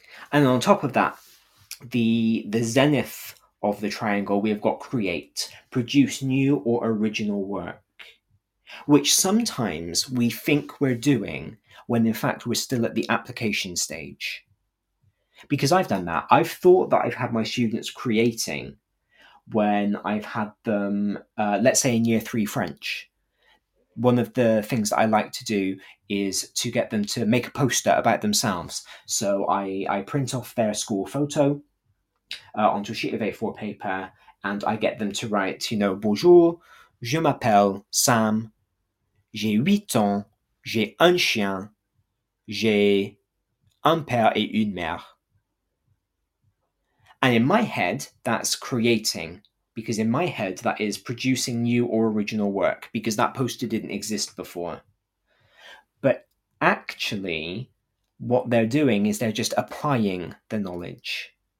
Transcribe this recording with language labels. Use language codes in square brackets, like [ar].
[en] And on top of that, the zenith of the triangle, we have got create, produce new or original work, which sometimes we think we're doing when in fact we're still at the application stage. Because I've done that. I've thought that I've had my students creating when I've had them, let's say in year 3 French. One of the things that I like to do is to get them to make a poster about themselves. So I print off their school photo onto a sheet of A4 paper, and I get them to write, you know, [fr] bonjour, je m'appelle Sam, j'ai 8 ans, j'ai un chien, j'ai un père et une mère. [en] And in my head, that's creating, because in my head, that is producing new or original work, because that poster didn't exist before. actually, what they're doing is they're just applying the knowledge.